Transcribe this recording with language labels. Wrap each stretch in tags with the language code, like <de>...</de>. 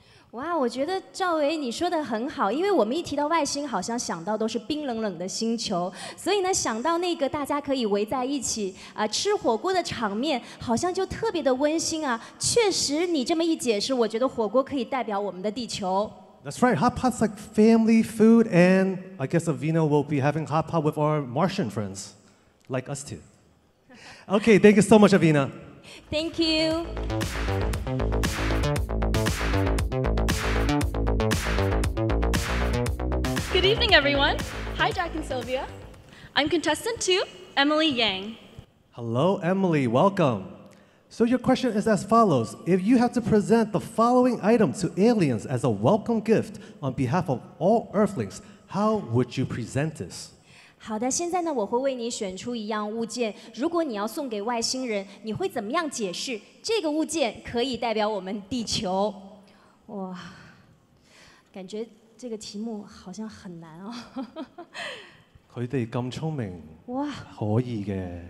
<zh>哇，我觉得赵薇你说的很好，因为我们一提到外星好像想到都是冰冷冷的星球，所以呢想到那个大家可以围在一起吃火锅的场面好像就特别的温馨啊。确实你这么一解释，我觉得火锅可以代表我们的地球。</zh> <en>That's right, hot pot's like family food, and I guess Avina will be having hot pot with our Martian friends, like us too. Okay, thank you so much, Avina. Thank you. Good evening, everyone. Hi, Jack and Sylvia. I'm contestant two, Emily Yang. Hello, Emily. Welcome. So your question is as follows. If you have to present the following item to aliens as a welcome gift on behalf of all Earthlings, how would you present this?</en> <zh>好的，现在呢，我会为你选出一样物件。如果你要送给外星人，你会怎么样解释这个物件可以代表我们地球？哇，感觉这个题目好像很难哦。他们这么聪明，哇，可以的。</zh>